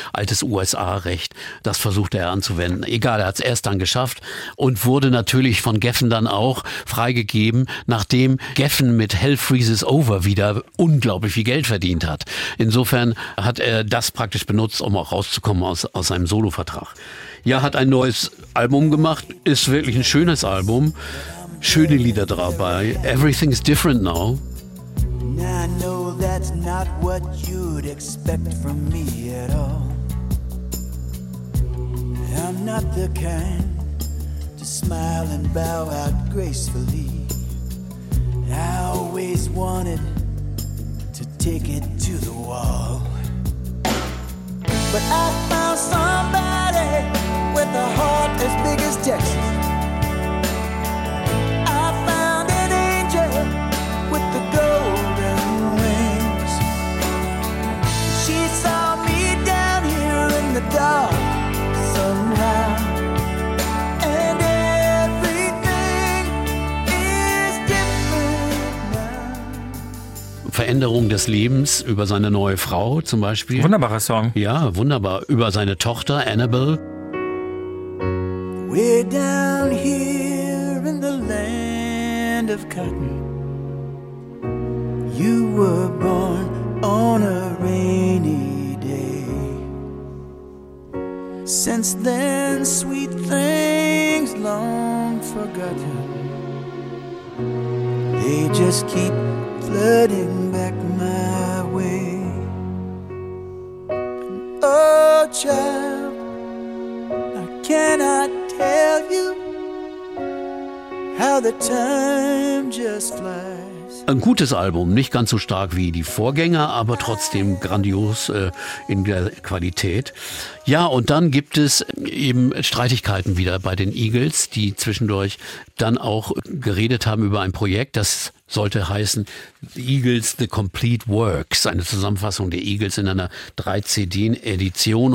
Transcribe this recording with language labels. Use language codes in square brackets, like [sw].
[de] Altes USA-Recht. Das versuchte er anzuwenden. Egal, er hat es erst dann geschafft und wurde natürlich von Geffen dann auch freigegeben, nachdem Geffen mit Hell Freezes Over wieder unglaublich viel Geld verdient hat. Insofern hat er das praktisch benutzt, um auch rauszukommen aus seinem Solovertrag. Ja, hat ein neues Album gemacht, ist wirklich ein schönes Album. Schöne Lieder dabei. [en] Everything's different now. I know that's not what you'd expect from me at all. I'm not the kind to smile and bow out gracefully. I always wanted to take it to the wall. But I found somebody with a heart as big as Texas. I found an angel with the golden wings. She saw me down here in the dark somehow. And everything is different now. [de] Veränderung des Lebens über seine neue Frau zum Beispiel. Wunderbarer Song. Ja, wunderbar. Über seine Tochter Annabelle. [en] Way down here in the land of cotton, you were born on a rainy day. Since then, sweet things long forgotten, they just keep flooding back my way. Oh, child, I cannot tell you how the time just flies. [de] Ein gutes Album, nicht ganz so stark wie die Vorgänger, aber trotzdem grandios in der Qualität. Ja, und dann gibt es eben Streitigkeiten wieder bei den Eagles, die zwischendurch dann auch geredet haben über ein Projekt, das sollte heißen The Eagles The Complete Works, eine Zusammenfassung der Eagles in einer 3-CD-Edition.